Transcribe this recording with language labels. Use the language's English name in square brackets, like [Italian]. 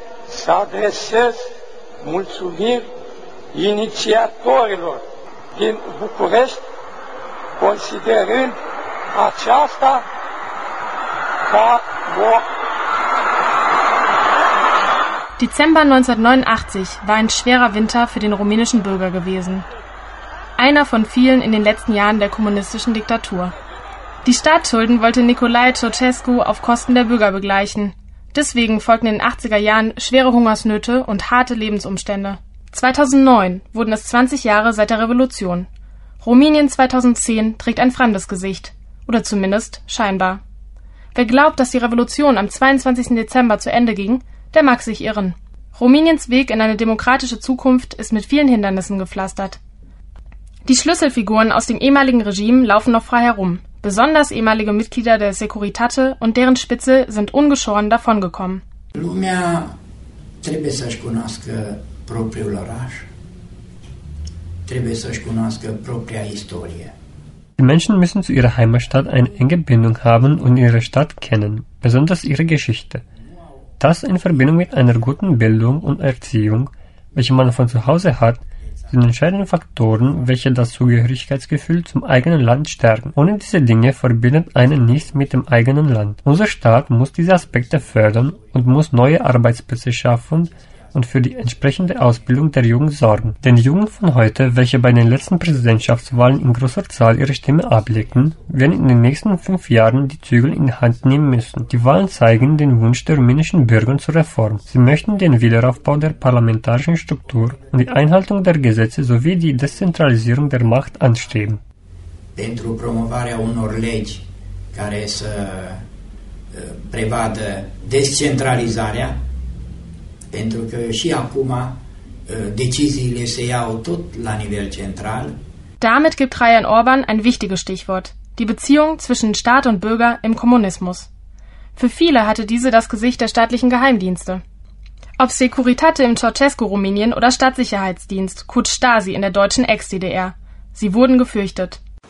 [Romanian] Să adresez mulțumiri inițiatorilor din București, considerând aceasta ca o... [German] Dezember 1989 war ein schwerer Winter für den rumänischen Bürger gewesen. Einer von vielen in den letzten Jahren der kommunistischen Diktatur. Die Staatsschulden wollte Nicolae Ceaușescu auf Kosten der Bürger begleichen. Deswegen folgten in den 80er Jahren schwere Hungersnöte und harte Lebensumstände. 2009 wurden es 20 Jahre seit der Revolution. Rumänien 2010 trägt ein fremdes Gesicht. Oder zumindest scheinbar. Wer glaubt, dass die Revolution am 22. Dezember zu Ende ging, der mag sich irren. Rumäniens Weg in eine demokratische Zukunft ist mit vielen Hindernissen gepflastert. Die Schlüsselfiguren aus dem ehemaligen Regime laufen noch frei herum. Besonders ehemalige Mitglieder der Securitate und deren Spitze sind ungeschoren davongekommen. [Romanian] Lumea trebuie să-și cunoască propriul oraș, trebuie să-și cunoască propria istorie. [German] Die Menschen müssen zu ihrer Heimatstadt eine enge Bindung haben und ihre Stadt kennen, besonders ihre Geschichte. Das in Verbindung mit einer guten Bildung und Erziehung, welche man von zu Hause hat, sind entscheidende Faktoren, welche das Zugehörigkeitsgefühl zum eigenen Land stärken. Ohne diese Dinge verbindet einen nichts mit dem eigenen Land. Unser Staat muss diese Aspekte fördern und muss neue Arbeitsplätze schaffen und für die entsprechende Ausbildung der Jugend sorgen. Denn die Jugend von heute, welche bei den letzten Präsidentschaftswahlen in großer Zahl ihre Stimme ablegten, werden in den nächsten 5 Jahren die Zügel in die Hand nehmen müssen. Die Wahlen zeigen den Wunsch der rumänischen Bürger zur Reform. Sie möchten den Wiederaufbau der parlamentarischen Struktur und die Einhaltung der Gesetze sowie die Dezentralisierung der Macht anstreben. [Romanian] Pentru promovarea unor legi care să prevadă descentralizarea. Pentru că și acum deciziile se iau tot la nivel central. [German] Damit gibt Traian Orban ein wichtiges Stichwort, die Beziehung zwischen Staat und Bürger im Kommunismus. Für viele hatte diese das Gesicht der staatlichen Geheimdienste. Ob Securitate im Ceaușescu-Rumänien oder Staatssicherheitsdienst, kurz Stasi in der deutschen Ex-DDR. Sie wurden gefürchtet.